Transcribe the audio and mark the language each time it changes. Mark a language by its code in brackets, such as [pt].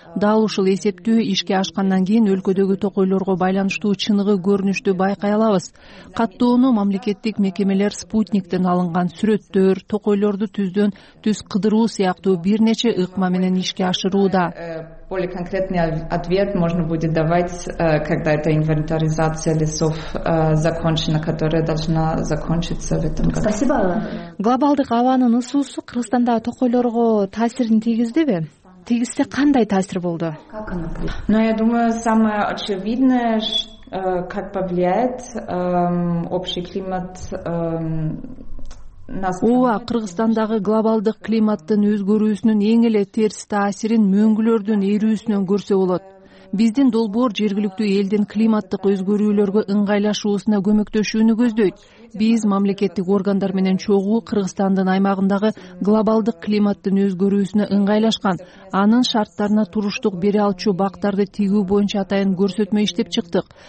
[ky] Дал ушул эсептөө ишке ашкандан кийин өлкөдөгү токойлорго байланыштуу чыныгы көрүнүштү байкай алабыз. Каттоону мамлекеттик мекемелер спутниктен алынган сүрөттөр, токойлорду түздөн түз кыдыруу сыяктуу бир нече ыкма менен ишке ашырууда. [ru] Более конкретный ответ можно будет давать, когда эта инвентаризация лесов закончена, которая должна закончиться в этом году. Спасибо. [ky] Глобалдык абанын ысуусу Кыргызстанда токойлорго таасирин тийгиздиби? Тийгизсе кандай таасир болду? [ru] Но я думаю, самое очевидное, как повлияет общий климат. [ky] Ооба, Кыргызстандагы глобалдык климаттын өзгөрүүсүнүн эң эле терс таасирин мөңгүлөрдүн эрүүсүнөн көрсө болот. Биздин долбоор жергиликтүү элдин климаттык өзгөрүүлөргө ыңгайлашуусуна көмөктөшүүнү көздөйт. Биз мамлекеттик органдар менен чогуу Кыргызстандын аймагындагы глобалдык климаттын өзгөрүүсүнө ыңгайлашкан, анын шарттарына туруштук бере алчу бактарды тигүү боюнча атайын көрсөтмө иштеп чыктык.